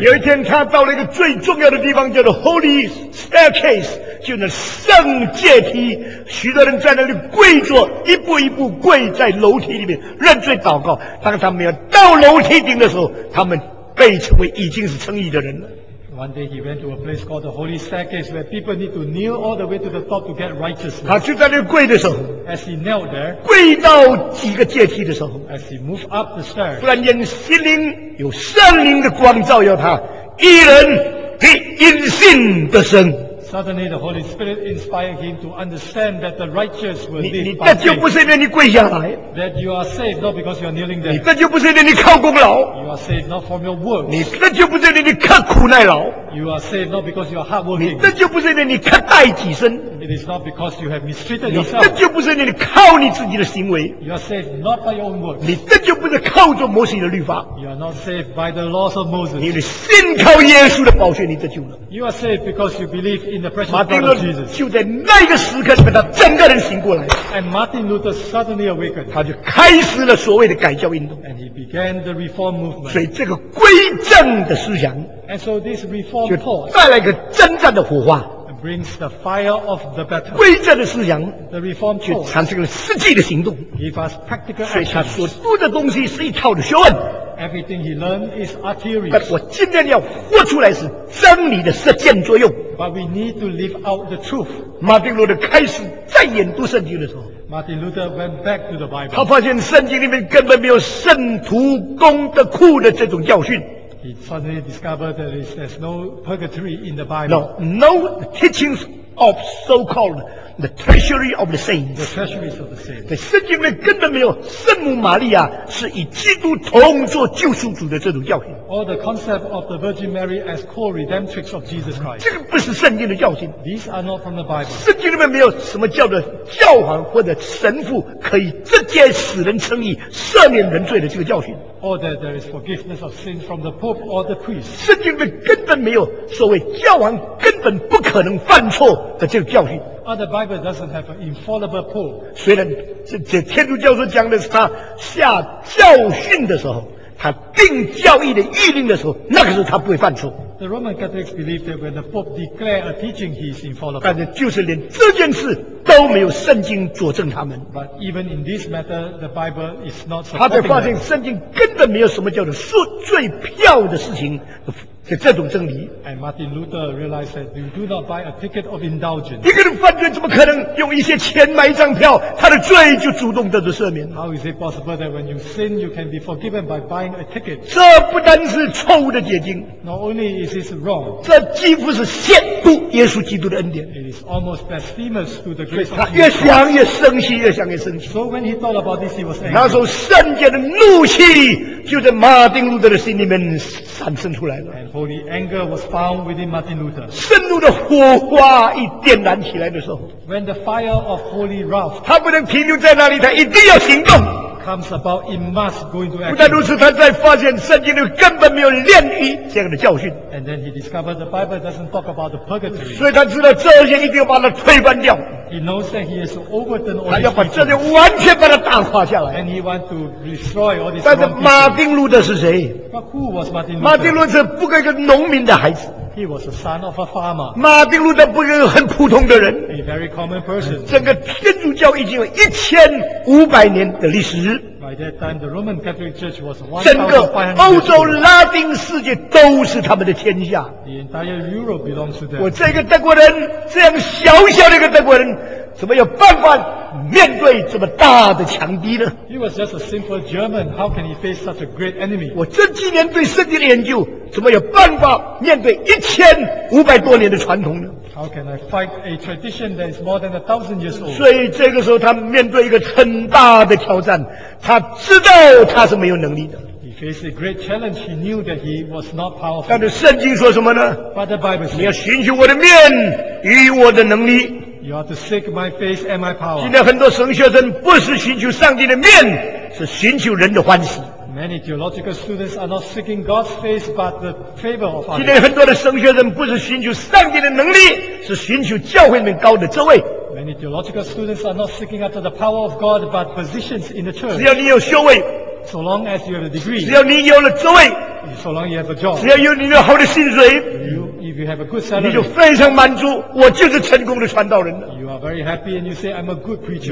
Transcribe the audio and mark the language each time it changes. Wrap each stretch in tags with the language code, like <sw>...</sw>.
<zh>有一天，他到了一个最重要的地方，叫做 Holy Staircase， 就是圣阶梯。许多人在那里跪坐，一步一步跪在楼梯里面认罪祷告。当他们要到楼梯顶的时候，他们被称为已经是称义的人了。</zh> <en>One day he went to a place called the Holy Staircase where people need to kneel all the way to the top to get righteousness.</en> <zh>他就在那跪的时候</zh> <en>，as he knelt there，</en> <zh>跪到几个阶梯的时候</zh> <en>，as he moved up the stairs，</en> <zh>突然间心灵有圣灵的光照耀他，一人的阴性的神。</zh> <en>Suddenly the Holy Spirit inspired him to understand that the righteous will live by faith.</en> <zh>你这就不是因为你跪下来</zh> <en>，that you are saved not because you are kneeling there.</en> <zh>你这就不是因为你靠功劳</zh> <en>，you are saved not from your works.</en> <zh>你这就不是因为你刻苦耐劳</zh> <en>，you are saved not because you are hardworking.</en> <zh>你这就不是因为你苛待己身</zh> <en>，it is not because you have mistreated yourself.</en> <zh>你这就不是因为你靠你自己的行为</zh> <en>，you are saved not by your own works.</en> <zh>你这就不是靠着摩西的律法</zh> <en>，you are not saved by the laws of Moses.</en> <zh>你信靠耶稣的宝血，你得救了</zh> <en>，you are saved because you believe in.</en> <zh>马丁路德就在那个时刻里面，他整个人醒过来。</zh> <en>And Martin Luther suddenly awakened.</en> <zh>他就开始了所谓的改教运动。</zh> <en>And he began the reform movement.</en> <zh>所以这个归正的思想</zh> <en>，And so this reform thought</en> <zh>就带来一个征战的火花。</zh> <en>Brings the fire of the battle.</en> <zh>归正的思想</zh> <en>，the reform thought</en> <zh>就产生了实际的行动。</zh> <en>Give us practical actions.</en> <zh>所以他所读的东西是一套的学问。</zh> <en>Everything he learned is our theory.</en> <zh>但我今天要活出来是真理的实践作用。</zh> <en>But we need to live out the truth.</en> <zh>马丁路德开始再研读圣经的时候</zh> <en>，Martin Luther went back to the Bible.</en> <zh>他发现圣经里面根本没有圣徒功德库的这种教训。</zh> <en>He suddenly discovered that there's no purgatory in the Bible. No, no teachings of so-called the treasury of the saints. The treasuries of the saints.</en> <zh>在圣经里面根本没有圣母玛利亚是与基督同作救赎主的这种教训。</zh> <en>Or the concept of the Virgin Mary as co-redemptrix of Jesus Christ.</en> <zh>这个不是圣经的教训。</zh> <en>These are not from the Bible.</en> <zh>圣经里面没有什么叫做教皇或者神父可以直接使人称义、赦免人罪的这个教训。</zh> <en>Or that there is forgiveness of sins from the Pope or the priest.</en> <zh>圣经里面根本没有所谓教皇根本不可能犯错的这个教训。</zh> <en>Or the Bible doesn't have an infallible Pope.</en> <zh>虽然这天主教所讲的是他下教训的时候，他定教义的谕令的时候，那个时候他不会犯错。</zh> <en>The Roman Catholics believe that when the Pope declares a teaching, he is infallible.</en> <zh>但是就是连这件事都没有圣经佐证他们。</zh> <en>But even in this matter, the Bible is not supporting.</en> <zh>他才发现圣经根本没有什么叫做赎罪票的事情。是这种真理。</zh> <en>And Martin Luther realized that you do not buy a ticket of indulgence.</en> <zh>一个人犯罪怎么可能用一些钱买一张票，他的罪就主动得到赦免</zh> <en>？How is it possible that when you sin, you can be forgiven by buying a ticket?</en> <zh>这不单是错误的解经</zh> <en>，Not only is it wrong.</en> <zh>这几乎是亵渎耶稣基督的恩典。</zh> <en>It is almost blasphemous to the grace of God.</en> <zh>他越想越生气，越想越生气。</zh> <en>So when he thought about this, he was angry.</en> <zh>那时候圣洁的怒气就在马丁路德的心里面产生出来了。</zh> <en>And Holy anger was found within Martin Luther.</en> <zh>圣怒的火花一点燃起来的时候</zh> <en>，When the fire of holy wrath,</en> <zh>他不能停留在那里，他一定要行动。</zh> <en>Comes about, it must go into action.</en> <zh>不但如此，他在发现圣经里根本没有炼狱这样的教训。</zh> <en>And then he discovered the Bible doesn't talk about the purgatory.</en> <zh>所以他知道这些一定要把它推翻掉。</zh> <en>He knows that he has to overturn all his people.</en> <zh>他要把这里完全把它打垮下来。</zh> <en>And he wants to destroy all these.</en> <zh>但是马丁路德是谁</zh> <en>？But who was Martin Luther?</en> <zh>马丁路德不过一个农民的孩子。</zh> <en>He was the son of a farmer.</en> <zh>马丁路德不过一个很普通的人。</zh> <en>A very common person.</en> <zh>整个天主教已经有1500年的历史。</zh> <en>By that time, the Roman Catholic Church was 1,500 years old.</en> <zh>整个欧洲拉丁世界都是他们的天下。</zh> <en>The entire Europe belongs to them.</en> <zh>我这个德国人，这样小小的一个德国人，怎么有办法面对这么大的强敌呢</zh> <en>？He was just a simple German. How can he face such a great enemy?</en> <zh>我这几年对圣经的研究，怎么有办法面对1500多年的传统呢</zh> <en>？How can I fight a tradition that is more than 1,000 years old?</en> <zh>所以这个时候，他面对一个很大的挑战。他知道他是没有能力的。</zh> <en>He faced a great challenge. He knew that he was not powerful.</en> <zh>但是圣经说什么呢</zh> <en>？But the Bible says,</en> <zh>你要寻求我的面与我的能力。</zh> <en>You have to seek my face and my power.</en> <zh>今天很多神学生不是寻求上帝的面，是寻求人的欢喜。</zh> <en>Many theological students are not seeking God's face, but the favor of others.</en> <zh>今天很多的神学生不是寻求上帝的能力，是寻求教会里面高的职位。</zh> <en>Many theological students are not seeking after the power of God, but positions in the church.</en> <zh>只要你有学位</zh> <en>，so long as you have a degree.</en> <zh>只要你有了职位</zh> <en>，so long you have a job.</en> <zh>只要有你有好的薪水</zh> <en>if you have a good salary,</en> <zh>你就非常满足。我就是成功的传道人。</zh> <en>You are very happy and you say I'm a good preacher.</en>